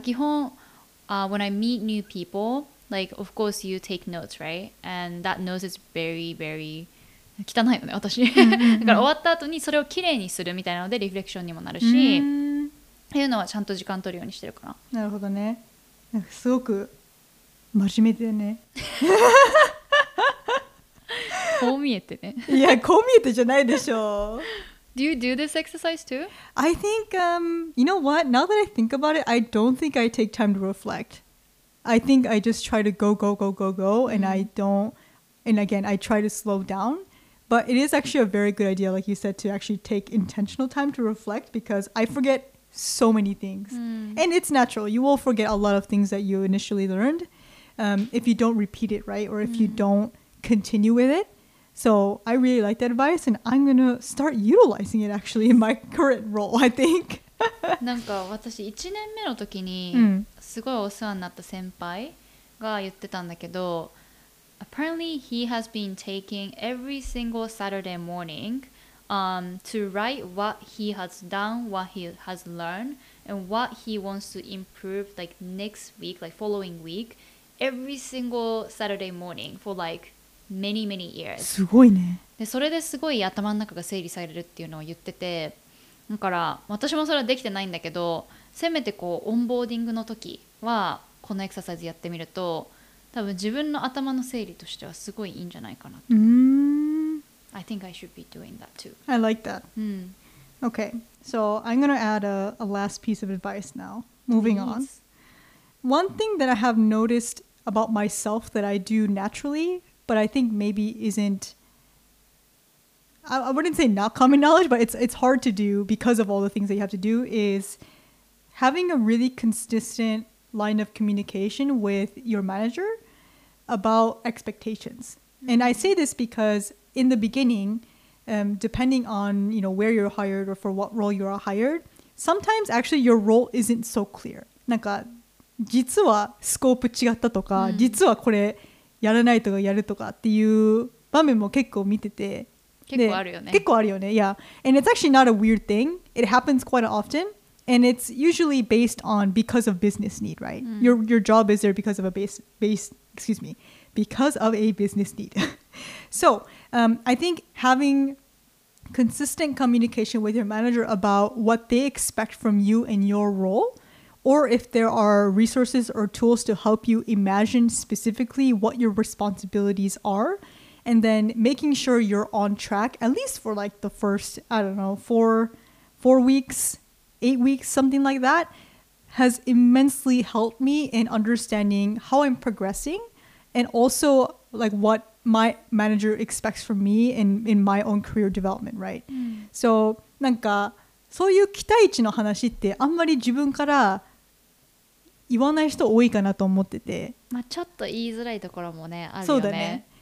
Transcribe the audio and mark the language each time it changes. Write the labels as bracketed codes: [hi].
[ja] 基本、 [en] When I meet new people like of course you take notes right and that notes is very very [ja] 汚いよね私、うんうんうん、だから終わった後にそれをきれいにするみたいなのでリフレクションにもなるしっていうのはちゃんと時間取るようにしてるかななるほどねなんかすごく真面目でねこう見えてねいやこう見えてじゃないでしょう [en] Do you do this exercise too? I think, you know what? Now that I think about it, I don't think I take time to reflect I think I just try to go, go, go, go, go and I don'tAnd again, I try to slow down. But it is actually a very good idea, like you said, to actually take intentional time to reflect because I forget so many things. Mm. And it's natural. You will forget a lot of things that you initially learned if you don't repeat it, right? Or if you don't continue with it. So I really like that advice and I'm going to start utilizing it actually in my current role, I think. [ja] なんか私1年目の時にすごいお世話になった先輩が言ってたんだけど [en] Apparently, he has been taking every single Saturday morning to write what he has done, what he has learned, and what he wants to improve like next week, like following week, every single Saturday morning for like many, many years. [ja] すごいね。で、それですごい頭の中が整理されるっていうのを言ってて、だから私もそれはできてないんだけど、せめてこうオンボーディングの時はこのエクササイズやってみると多分自分の頭の整理としてはすごいいいんじゃないかなと。 Mm-hmm. [en] I think I should be doing that too. I like that.、 Mm. Okay, so I'm going to add a last piece of advice now. Moving、Please. On. One thing that I have noticed about myself that I do naturally, but I think maybe isn't... I wouldn't say not common knowledge, but it's hard to do because of all the things that you have to do is having a really consistent line of communication with your manager about expectations. And I say this because in the beginning, depending on, you know, where you're hired or for what role you are hired, sometimes actually your role isn't so clear. [ja] なんか実はスコープ違ったとか、実はこれやらないとかやるとかっていう場面も結構見てて、結構あるよね。結構あるよね。 [en] Yeah. And it's actually not a weird thing. It happens quite often. And it's usually based on because of business need, right?、 Mm. Your job is there because of a business need. So, I think having consistent communication with your manager about what they expect from you and your role, or if there are resources or tools to help you imagine specifically what your responsibilities are,And then making sure you're on track, at least for like the first, I don't know, four weeks, 8 weeks, something like that, has immensely helped me in understanding how I'm progressing and also like what my manager expects from me in my own career development, right?、 Mm. [ja] So, なんかそういう期待値の話ってあんまり自分から言わない人多いかなと思ってて。まあちょっと言いづらいところもね、あるよね。そうだね。